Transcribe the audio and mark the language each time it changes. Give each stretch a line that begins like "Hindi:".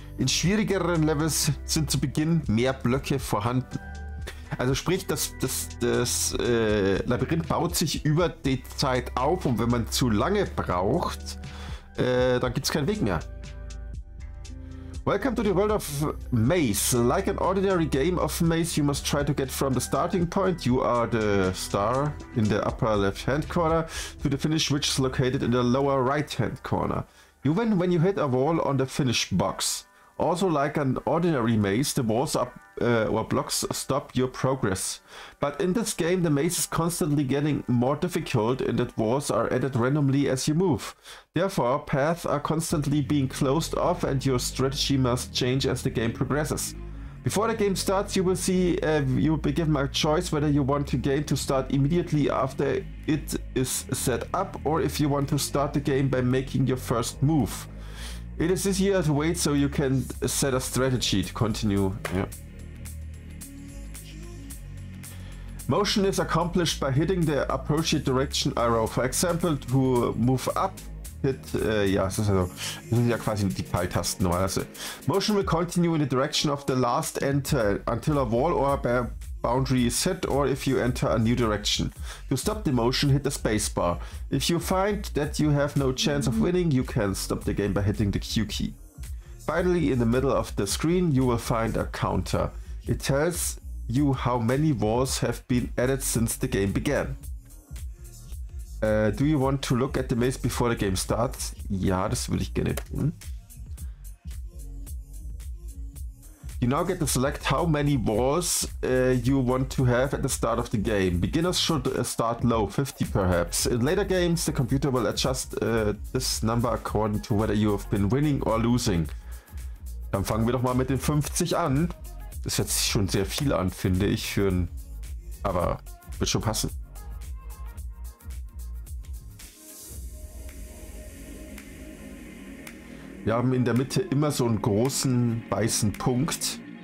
German: In schwierigeren Levels sind zu Beginn mehr Blöcke vorhanden. Also sprich, das Labyrinth baut sich über die Zeit auf und wenn man zu lange braucht, dann gibt es keinen Weg mehr.
English: Welcome to the world of Maze. Like an ordinary game of Maze, you must try to get from the starting point, you are the star in the upper left hand corner, to the finish, which is located in the lower right hand corner. You win when you hit a wall on the finish box. Also like an ordinary maze, the walls or blocks stop your progress. But in this game, the maze is constantly getting more difficult and that walls are added randomly as you move. Therefore, paths are constantly being closed off and your strategy must change as the game progresses. Before the game starts, you will see you will be given a choice whether you want the game to start immediately after it is set up or if you want to start the game by making your first move. It is easier to wait, so you can set a strategy to continue. Yeah. Motion is accomplished by hitting the appropriate direction arrow. For example, to move up, hit.
German: Yeah, ja, das sind ja quasi die Pfeiltasten normalerweise.
English: Motion will continue in the direction of the last enter until a wall or a boundary is hit, or if you enter a new direction. To stop the motion, hit the space bar. If you find that you have no chance of winning, you can stop the game by hitting the Q key. Finally, in the middle of the screen, you will find a counter. It tells you how many walls have been added since the game began. Do you want to look at the maze before the game starts?
German: Ja, das würde ich gerne tun.
English: You now get to select how many walls you want to have at the start of the game. Beginners should start low, 50 perhaps. In later games, the computer will adjust this number according to whether you have been winning or losing.
German: Dann fangen wir doch mal mit den 50 an. Das hört sich schon sehr viel an, finde ich, für ein. Aber wird schon passen. Wir haben in der Mitte immer so einen großen weißen Punkt.